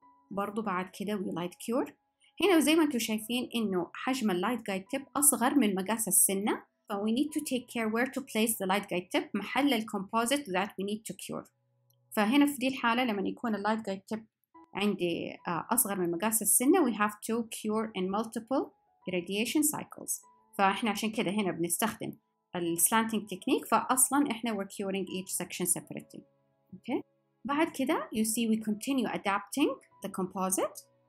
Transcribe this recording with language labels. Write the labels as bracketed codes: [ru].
[ar] برضو بعد كده [en] we light cure. [ar] هنا وزي ما انتم شايفين انه حجم اللايت جايد تيب اصغر من مقاس السنه, ف [en] we need to take care where to place [ar] the light guide tip, محل الكومبوزيت [en] that we need to cure. [ar] فهنا في دي الحاله لما يكون اللايت جايد تيب عندي اصغر من مقاس السنه [en] we have to cure in multiple irradiation cycles. [ar] فاحنا عشان كده هنا بنستخدم السلانتينج تكنيك, فاصلا احنا [en] we're curing each section separately. [ar] اوكي بعد كده [en] you see we continue adapting the composite.